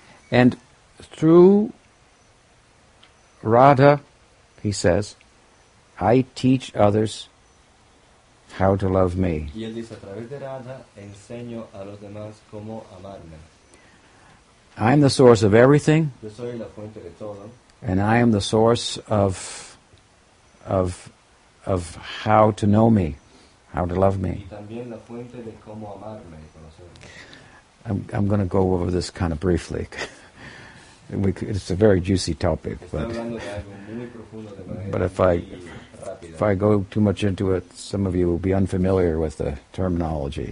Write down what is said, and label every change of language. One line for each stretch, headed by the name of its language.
English: And through Radha, he says, I teach others how to love me.
Spanish: Y él dice, a través de Radha, enseño a los demás cómo amarme.
English: I am the source of everything.
Spanish: Yo soy la fuente de todo.
English: And I am the source of how to know me, how to love me.
Spanish: Y también la fuente de cómo amarme y conocerme.
English: I'm going to go over this kind of briefly. It's a very juicy topic, but if I go too much into it, some of you will be unfamiliar with the terminology.